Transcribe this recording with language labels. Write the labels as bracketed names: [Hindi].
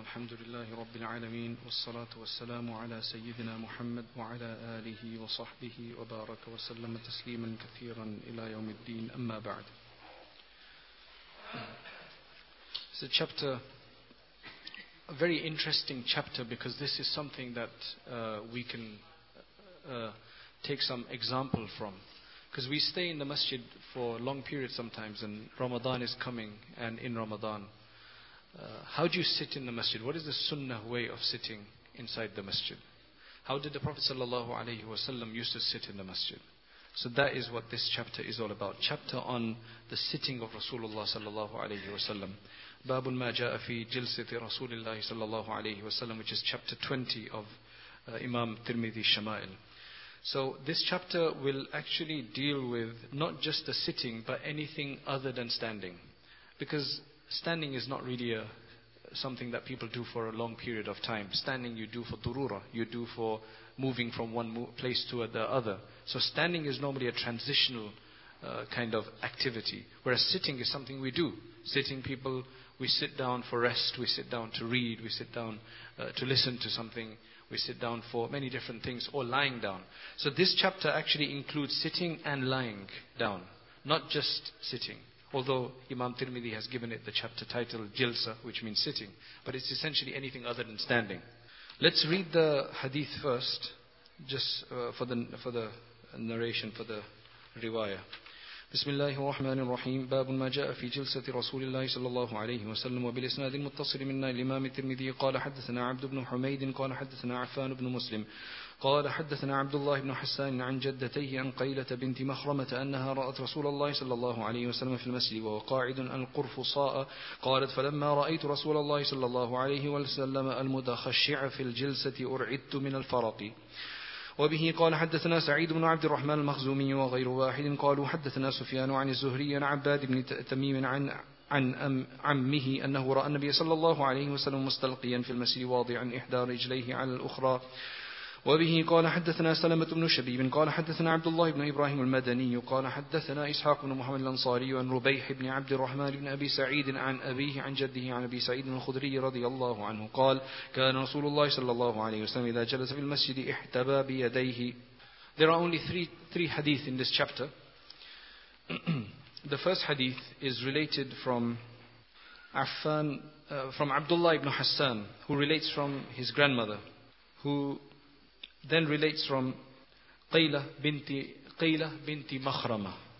[Arabic] الحمد لله رب العالمين، والصلاة والسلام على سيدنا محمد وعلى آله وصحبه وبارك وسلم تسليما كثيرا إلى يوم الدين، أما بعد. [English] It's a chapter, a very interesting chapter, because this is something that we can take some example from. Because we stay in the masjid for a long period sometimes, and Ramadan is coming, and in Ramadan, how do you sit in the masjid? What is the sunnah way of sitting inside the masjid? How did the Prophet sallallahu alaihi wasallam used to sit in the masjid? So that is what this chapter is all about. Chapter on the sitting of Rasulullah sallallahu alaihi wasallam. [Arabic] باب ما جاء في جلسة رسول الله صلى الله عليه وسلم, [English] which is chapter 20 of Imam Tirmidhi Shama'il. So this chapter will actually deal with not just the sitting, but anything other than standing. Because standing is not really something that people do for a long period of time. Standing you do for durura, you do for moving from one place to the other. So standing is normally a transitional kind of activity, whereas sitting is something we do. Sitting people, we sit down for rest, we sit down to read, we sit down to listen to something, we sit down for many different things, or lying down. So this chapter actually includes sitting and lying down, not just sitting. Although Imam Tirmidhi has given it the chapter title Jilsa, which means sitting, but it's essentially anything other than standing. Let's read the hadith first, just for the narration, for the riwayah. [Arabic] بسم الله الرحمن الرحيم. باب ما جاء في جلسة رسول الله صلى الله عليه وسلم وبالإسناد المتصل منا الإمام الترمذي قال حدثنا عبد بن حميد قال حدثنا عفان بن مسلم قال حدثنا عبد الله بن حسان عن جدتيه عن قيلة بنت مخرمة أنها رأت رسول الله صلى الله عليه وسلم في المسجد وهو قاعد القرفصاء. قالت فلما رأيت رسول الله صلى الله عليه وسلم المتخشع في الجلسة أرعدت من الفرق. وبه قال حدثنا سعيد بن عبد الرحمن المخزومي وغير واحد قالوا حدثنا سفيان عن الزهري عن عباد بن تميم عن عمه أنه رأى النبي صلى الله عليه وسلم مستلقيا في المسجد واضعا إحدى رجليه على الأخرى. وبه قال حدثنا سلمة بن شبيب قال حدثنا عبد الله بن إبراهيم المدني قال حدثنا إسحاق بن محمد الأنصاري عن ربيح بن عبد الرحمن بن أبي سعيد عن أبيه عن جده عن أبي سعيد الخدري رضي الله عنه قال كان رسول الله صلى الله عليه وسلم إذا جلس في المسجد احتبى بيديه. [English] There are only three hadith in this chapter. The first hadith is related from Affan, from Abdullah ibn Hassan, who relates from his grandmother, who then relates from Qayla binti Makhrama.